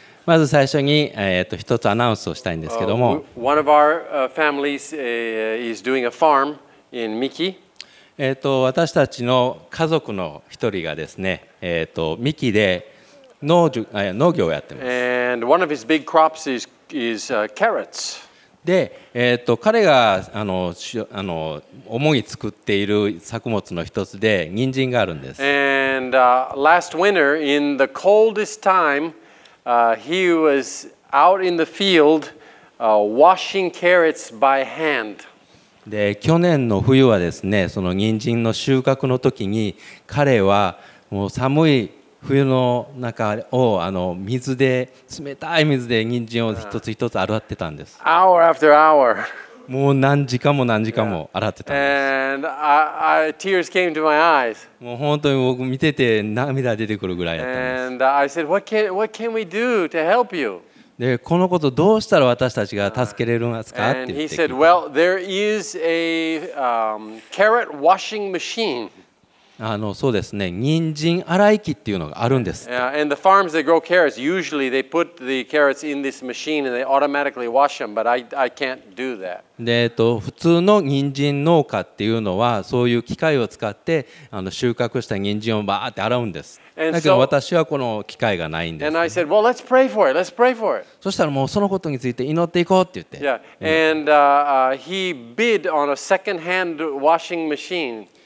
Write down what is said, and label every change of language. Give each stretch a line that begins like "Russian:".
Japanese: まず最初に一つアナウンスをしたいんですけども。
English: One of our families is doing a farm in Miki.
Japanese: 私たちの家族の一人がですね、ミキで農業をやってます。
English: And one of his big crops is carrots.
Japanese: で彼が主に作っている作物の一つで人参があるんです。
English: And last winter, in the coldest time, he was out in the field washing carrots by hand.
Japanese: で去年の冬はですね、その人参の収穫の時に彼はもう寒い冬の中を水で冷たい水で人参を一つ一つ洗ってたんです。
English: Hour after hour.
Japanese: もう何時間も何時間も洗ってたんです。
English: And tears came to my eyes.
Japanese: もう本当に僕見てて涙出てくるぐらいやったんです。
English: And I said, what can we do to help you?
Japanese: でこのことどうしたら私たちが助けれるんですかって言って。
English: And he said, well, there is a carrot washing machine.
Japanese: そうですね、人参洗い機っていうのがあるんです。
English: And the farms that grow carrots, usually they put the carrots in this machine and they automatically wash them, but I can't do that.
Japanese: で、普通の人参農家っていうのは、そういう機械を使って収穫した人参をバーって洗うんです。だけど私はこの機械がないんです。
English: And I said, well, let's pray for it, let's pray for it.
Japanese: そしたらもうそのことについて祈っていこうって言って。
English: Yeah, and he bid on a second-hand washing machine.